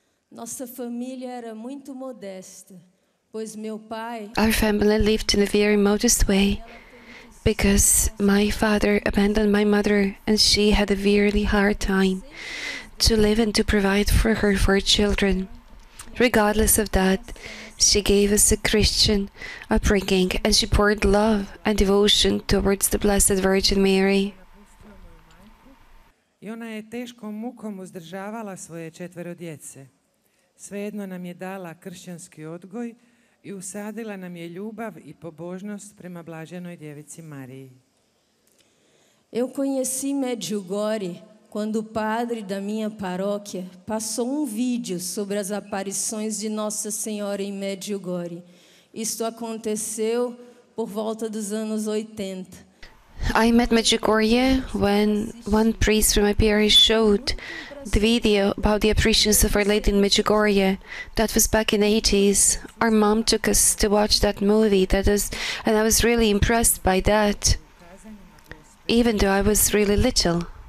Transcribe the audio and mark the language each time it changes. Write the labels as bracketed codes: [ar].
[pt] Nossa família era muito modesta, pois meu pai. [en] Our family lived in a very modest way, because my father abandoned my mother, and she had a very hard time to live and to provide for her four children. Regardless of that, she gave us a Christian upbringing, and she poured love and devotion towards the Blessed Virgin Mary. [hr] I ona je teškom mukom uzdržavala svoje četvero djece. Svejedno nam je dala kršćanski odgoj i usadila nam je ljubav i pobožnost prema blaženoj djevici Mariji. [pt] Eu conheci Medjugorje quando o padre da minha paróquia passou vídeo sobre as aparições de Nossa Senhora em Medjugorje. Isto aconteceu por volta dos anos 80. [en] I met Medjugorje when one priest from my parish showed the video about the apparitions of Our Lady in Medjugorje. That was back in the 80s. Our mom took us to watch that movie, and I was really impressed by that, even though I was really little.